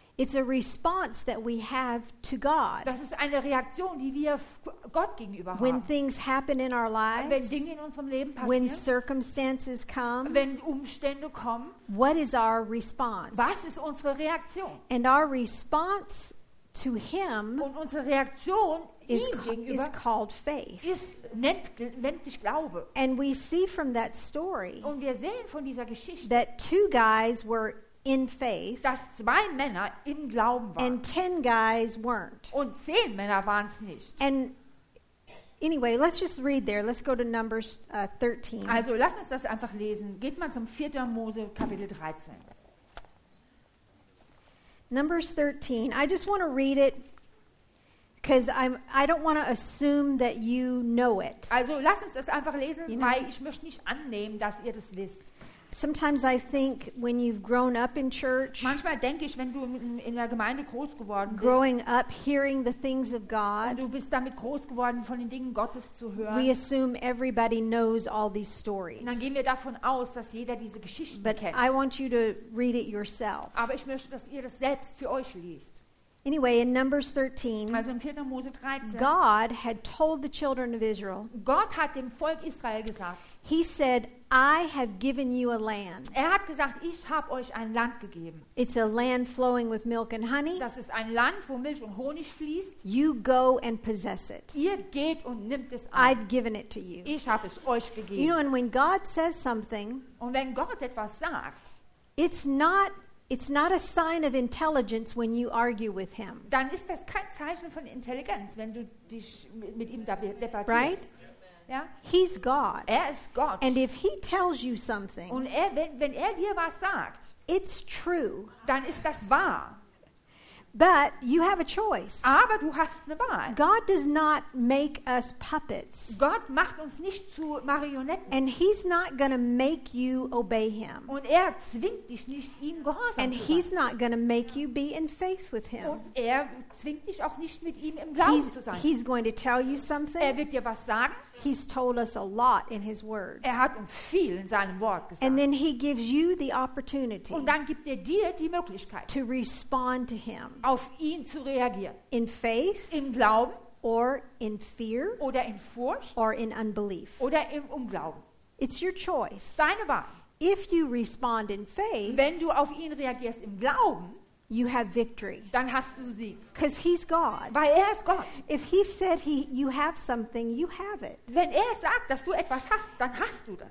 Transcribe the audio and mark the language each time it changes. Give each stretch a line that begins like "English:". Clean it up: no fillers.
English: It's a response that we have to God.
German: Das ist eine Reaktion, die wir Gott gegenüber haben.
English: When things happen in our lives,
German: wenn Dinge in unserem Leben passieren,
English: when circumstances come,
German: wenn Umstände kommen,
English: what is our response?
German: Was ist unsere Reaktion?
English: And our response to him
German: und unsere Reaktion
English: is,
German: ihm gegenüber
English: is called faith.
German: Nennt sich Glaube.
English: And we see from that story
German: und wir sehen von dieser Geschichte,
English: that two guys were in faith,
German: dass zwei Männer im Glauben waren,
English: and 10 guys weren't.
German: Und 10 Männer waren's nicht.
English: And anyway, let's just read there. Let's go to Numbers 13.
German: Also lass uns das einfach lesen. Geht mal zum 4. Mose Kapitel 13.
English: Numbers 13. I just want to read it because I don't want to assume that you know it.
German: Also lass uns das einfach lesen,
English: you know?
German: Weil ich möchte nicht annehmen, dass ihr das wisst.
English: Sometimes I think when you've grown up in church,
German: manchmal denke ich, wenn du in der Gemeinde groß geworden bist,
English: growing up hearing the things of God,
German: du bist damit groß geworden, von den Dingen Gottes zu hören,
English: we assume everybody knows all these stories.
German: Dann gehen wir davon aus, dass jeder diese Geschichten
English: but
German: kennt.
English: I want you to read it yourself.
German: Aber ich möchte, dass ihr das selbst für euch liest.
English: Anyway, in Numbers 13,
German: also im 4. Mose 13,
English: God had told the children of Israel,
German: Gott hat dem Volk Israel gesagt,
English: he said, I have given you a land.
German: Er hat gesagt, ich habe euch ein Land gegeben.
English: It's a land flowing with milk and honey.
German: Das ist ein Land, wo Milch und Honig fließt.
English: You go and possess it.
German: Ihr geht und nimmt es an.
English: I've given it to you.
German: Ich habe es euch gegeben.
English: You know, and when God says something,
German: und wenn Gott etwas sagt,
English: it's not a sign of intelligence when you argue with him.
German: Dann ist das kein Zeichen von Intelligenz, wenn du dich mit ihm debattierst.
English: Right? Yeah. He's God.
German: Er ist Gott.
English: And if he tells you something,
German: und wenn er dir was sagt,
English: it's true.
German: Dann ist das wahr.
English: But you have a choice.
German: Aber du hast eine Wahl.
English: God does not make us puppets.
German: Gott macht uns nicht zu Marionetten.
English: And he's not going to make you obey him.
German: Und er zwingt dich nicht, ihm gehorsam zu sein.
English: And he's not going to make you be in faith with him.
German: Und er zwingt dich auch nicht, mit ihm im Glauben zu sein.
English: He's going to tell you something.
German: Er wird dir was sagen.
English: He's told us a lot in his word.
German: Er hat uns viel in seinem Wort gesagt.
English: And then he gives you the opportunity.
German: Und dann gibt er dir die Möglichkeit,
English: to respond to him.
German: Auf ihn zu reagieren.
English: In faith,
German: im Glauben,
English: or in fear,
German: oder in Furcht,
English: or in unbelief,
German: oder im Unglauben.
English: It's your choice.
German: Deine Wahl.
English: If you respond in faith,
German: wenn du auf ihn reagierst im Glauben,
English: you have victory.
German: Dann hast du sie.
English: Because he's God.
German: Weil er ist Gott.
English: If he said you have something, you have it.
German: Wenn er sagt, dass du etwas hast, dann hast du das.